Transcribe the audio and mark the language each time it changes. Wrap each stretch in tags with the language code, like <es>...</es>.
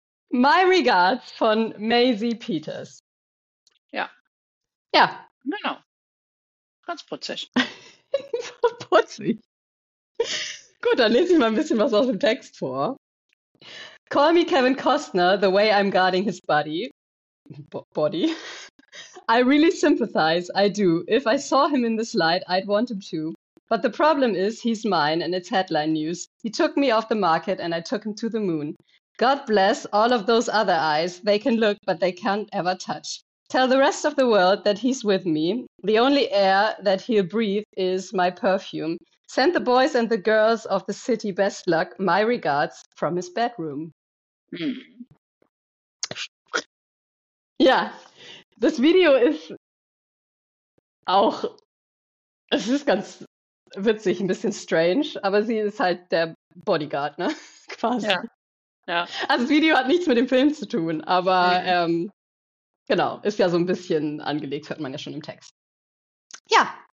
<de>My Regards von Maisie Peters. Ja. Ja. Genau. Ganz putzig. So putzig. Gut, dann lese ich mal ein bisschen was aus dem Text vor.</de> <en>Call me Kevin Costner, the way I'm guarding his body. Body. I really sympathize, I do. If I saw him in this light, I'd want him to. But the problem is, he's mine and it's headline news. He took me off the market and I took him to the moon. God bless all of those other eyes. They can look, but they can't ever touch. Tell the rest of the world that he's with me. The only air that he'll breathe is my perfume. Send the boys and the girls of the city best luck. My regards from his bedroom.</en> <de>Ja, das Video ist auch, es ist ganz witzig, ein bisschen strange, aber sie ist halt der Bodyguard, ne? Quasi. Ja. Ja. Also das Video hat nichts mit dem Film zu tun, aber genau, ist ja so ein bisschen angelegt, hört man ja schon im Text. Ja.</de>